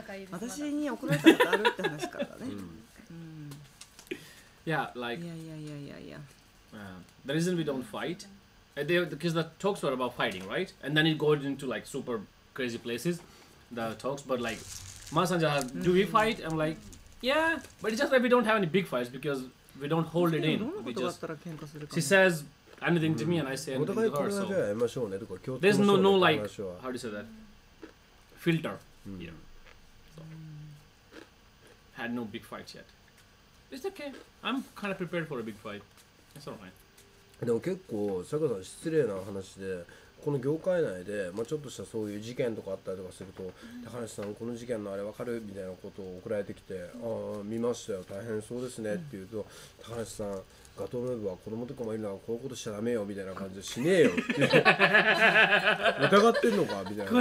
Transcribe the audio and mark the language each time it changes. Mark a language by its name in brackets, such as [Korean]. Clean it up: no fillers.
[Japanese] 私に怒られたことあるって話からね。 [English] うん、yeah, like, yeah, yeah, yeah, yeah, yeah. The reason we don't fight, because the talks were about fighting, right? And then it goes into like super crazy places. The talks, but like, Ma Sanja, do we fight? I'm like, yeah, but it's just that we don't have any big fights because we don't hold it in. We just, she says anything to me and I say anything to her. So, there's no like, how do you say that? Filter. Yeah. So, had no big fights yet. It's okay. I'm kind of prepared for a big fight. It's alright. [Japanese] でも結構、さかさん失礼な話で。この業界内で、まあ、ちょっとしたそういう事件とかあったりとかすると、うん、高梨さんこの事件のあれわかるみたいなことを送られてきて、うん、あ見ましたよ大変そうですね、うん、って言うと高梨さんガトムーブは子供とかもいるならこういうことしちゃダメよみたいな感じでしねえよって疑ってんのかみたいな、